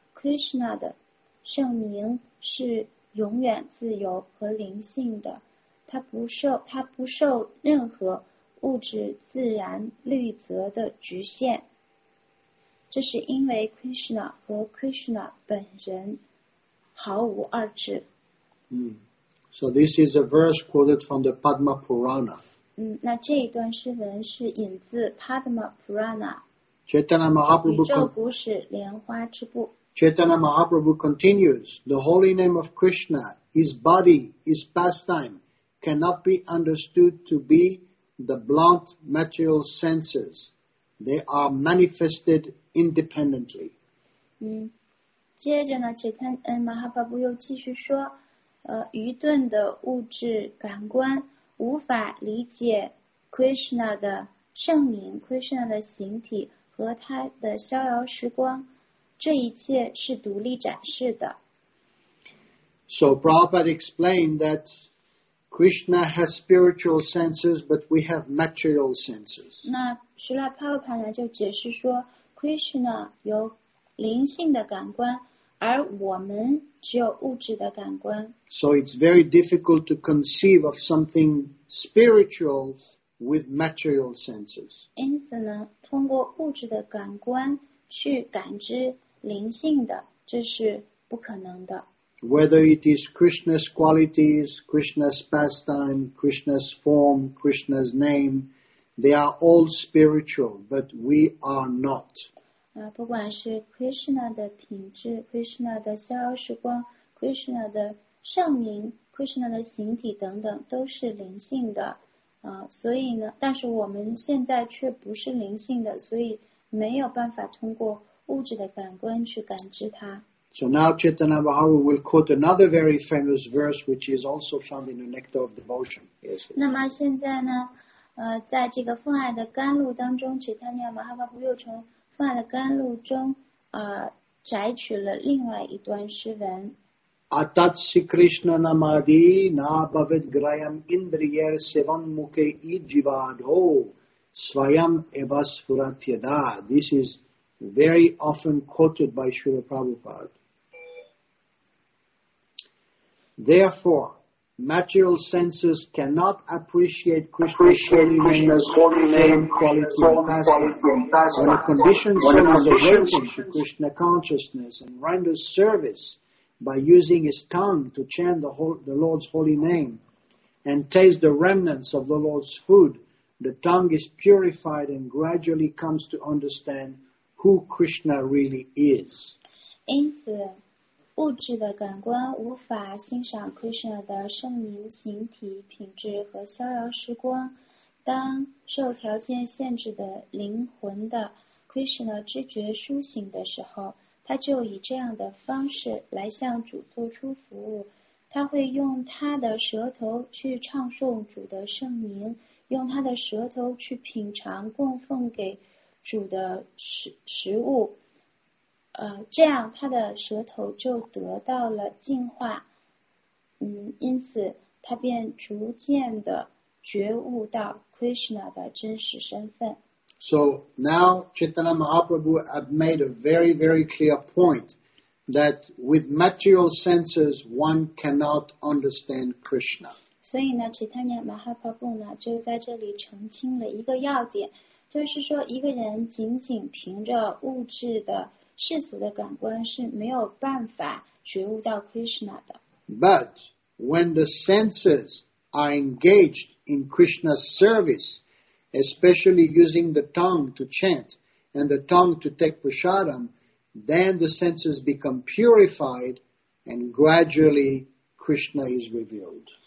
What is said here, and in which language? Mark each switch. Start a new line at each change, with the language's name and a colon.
Chinese: Krishna 的圣名是永远自由和灵性的，它不受任何物质自然律则的局限，这是因为 Krishna 和 Krishna 本人毫无二致。
English: So this is a verse quoted from the Padma Purana.
Chinese: 那这一段诗文是引自 Padma Purana.
English: Chaitanya Mahaprabhu.
Chinese: 宇宙古史莲花之部。
English: Chaitanya Mahaprabhu continues, the holy name of Krishna, his body, his pastime, cannot be understood to be the blunt material senses. They are manifested independently.
Chinese: 接着呢 Chaitanya Mahaprabhu 又继续说，愚钝的物质感官无法理解 Krishna 的圣名， Krishna 的形体和他的逍遥时光，这一切是独立展示的。
English: So Prabhupada explained that Krishna has spiritual senses, but we have material senses.
Chinese: 那实拉帕帕呢就解释说 Krishna 有灵性的感官，而我们只有物质的感官。
English: So it's very difficult to conceive of something spiritual with material senses.
Chinese: 因此呢，通过物质的感官去感知灵性的，这是不可能的。
English: Whether it is Krishna's qualities, Krishna's pastime, Krishna's form, Krishna's name, they are all spiritual, but we are not.
Chinese: 不管是 Krishna 的品质， Krishna 的逍遥时光， Krishna 的圣名， Krishna 的形体等等，都是灵性的。所以呢，但是我们现在却不是灵性的，所以没有办法通过物质的感官去感知它。
English: So now Chaitanya Mahaprabhu will quote another very famous verse, which is also found in the Nectar of Devotion. Yes.
Chinese: 那么现在呢，在这个奉爱的甘露当中， Chaitanya Mahaprabhu 又从奉爱的甘露中摘取了另外一段诗文。
Sanskrit: Atatsi Krishna Namadi Na Bhavad Grayam Indriyer Sevan Mukhe Ijivadho Svayam Evas Furatyada.
English: This isvery often quoted by Srila Prabhupada. Therefore, material senses cannot appreciate Krishna's holy name, quality, and pastime. When a conditioned soul is awakened to Krishna consciousness and renders service by using his tongue to chant the Lord's holy name and taste the remnants of the Lord's food, the tongue is purified and gradually comes to understandwho Krishna really is.
Chinese: 因此物质的感官无法欣赏 Krishna 的圣名、形体、品质和逍遥时光，当受条件限制的灵魂的 Krishna 知觉苏醒的时候，他就以这样的方式来向主做出服务，他会用他的舌头去唱诵主的圣名，用他的舌头去品尝供奉给主的食物，这样他的舌头就得到了净化，因此他便逐渐的觉悟到 Krishna 的真实身份。
English: So now Chaitanya Mahaprabhu have made a very, very clear point that with material senses one cannot understand Krishna.
Chinese: 所以呢 ，Chaitanya Mahaprabhu 呢就在这里澄清了一个要点。就是说一个人仅仅凭着物质的世俗的感官是没有办法觉悟到 Krishna 的。
English: But when the senses are engaged in Krishna's service, especially using the tongue to chant and the tongue to take prasadam, then the senses become purified and gradually Krishna is revealed.